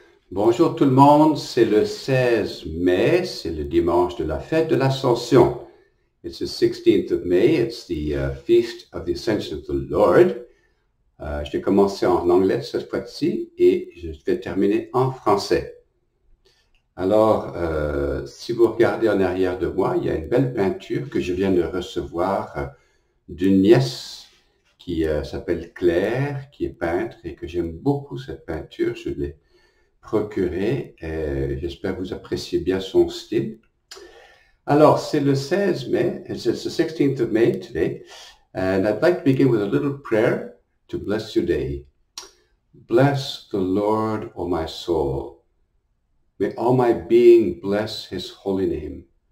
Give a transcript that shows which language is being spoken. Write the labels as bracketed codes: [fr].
[fr] Bonjour tout le monde, c'est le 16 mai, c'est le dimanche de la fête de l'Ascension. [en] It's the 16th of May, it's the Feast of the Ascension of the Lord. [fr] Je vais commencer en anglais cette fois-ci et je vais terminer en français. Alors, si vous regardez en arrière de moi, il y a une belle peinture que je viens de recevoir d'une nièce qui s'appelle Claire, qui est peintre et que j'aime beaucoup cette peinture, je l'ai procuré. J'espère que vous appréciez bien son style. Alors, c'est le 16 mai, [en] it's the 16th of May today, and I'd like to begin with a little prayer to bless your day. Bless the Lord, O my soul. May all my being bless his holy name.